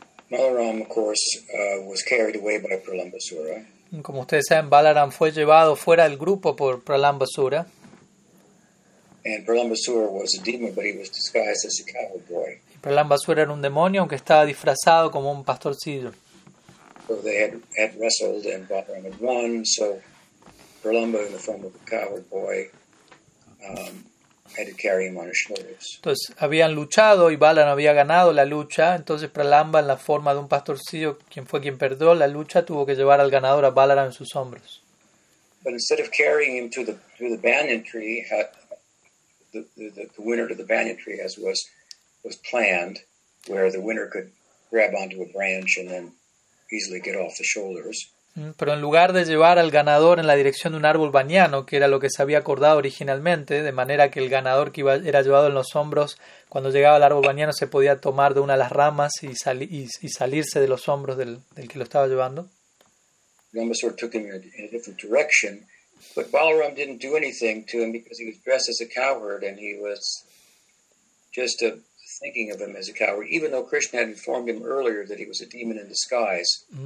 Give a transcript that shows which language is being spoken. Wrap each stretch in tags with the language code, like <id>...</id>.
<en>Balaram, of course, was carried away by Pralambasura.</en> <es>Como ustedes saben, Balaram fue llevado fuera del grupo por Pralambasura.</es> <en>And Pralambasura was a demon, but he was disguised as a cowboy.</en> <es>Y Pralambasura era un demonio, aunque estaba disfrazado como un pastorcillo.</es> <en>So they had wrestled, and Balaram had won. So Pralamba, in the form of a cowboy, had to carry him on his shoulders.</en> <es>Entonces habían luchado y Balaram había ganado la lucha. Entonces Pralamba, en la forma de un pastorcillo, quien perdió la lucha, tuvo que llevar al ganador, a Balaram, en sus hombros.</es> <en>But instead of carrying him to the banyan tree, the winner to the banyan tree, as was planned, where the winner could grab onto a branch and then easily get off the shoulders.</en> <es>Pero en lugar de llevar al ganador en la dirección de un árbol baniano, que era lo que se había acordado originalmente, de manera que el ganador que era llevado en los hombros, cuando llegaba al árbol baniano, se podía tomar de una de las ramas y salirse de los hombros del que lo estaba llevando.</es> <en>Balaram took him in a different direction, but Balaram didn't do anything to him because he was dressed as a coward and he was just thinking of him as a coward, even though Krishna had informed him earlier that he was a demon in disguise.</en>